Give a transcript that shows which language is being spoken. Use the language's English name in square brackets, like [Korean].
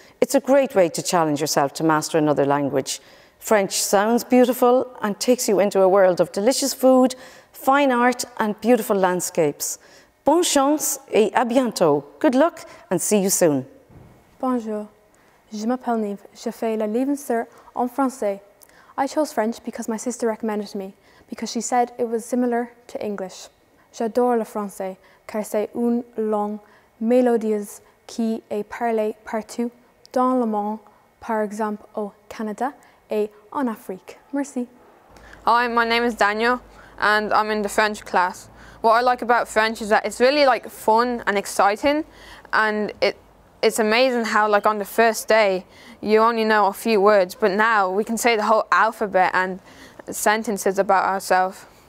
[English] It's a great way to challenge yourself to master another language. French sounds beautiful and takes you into a world of delicious food, fine art and beautiful landscapes. [French] Bonne chance et à bientôt. [English] Good luck and see you soon. [French] Bonjour. Je m'appelle Neve. Je fais la licence en français. [English] I chose French because my sister recommended me, because she said it was similar to English. [French] J'adore le français, car c'est une langue mélodieuse qui est parlée partout dans le monde, par exemple au Canada et en Afrique. Merci. [English] Hi, my name is Daniel, and I'm in the French class. What I like about French is that it's really like fun and exciting, and it's amazing how like on the first day you only know a few words, but now we can say the whole alphabet and sentences about ourselves.